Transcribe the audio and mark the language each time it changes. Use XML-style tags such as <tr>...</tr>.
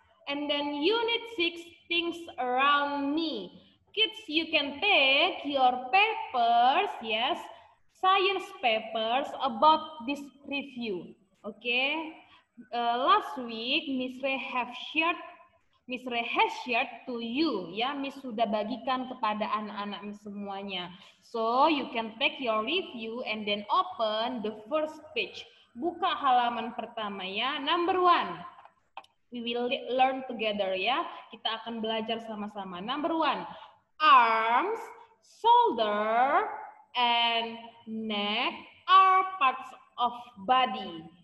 <en>And then unit 6, things around me. Kids, you can take your papers, yes, science papers about this review. Okay, last week Miss Ray has shared to you, ya.</en> <id>Miss sudah bagikan kepada anak-anak semuanya.</id> <en>So you can take your review and then open the first page.</en> <id>Buka halaman pertama ya.</id> <en>Number one, we will learn together ya.</en> <id>Kita akan belajar sama-sama.</id> <en>Number one, arms, shoulder, and neck are parts of body.</en>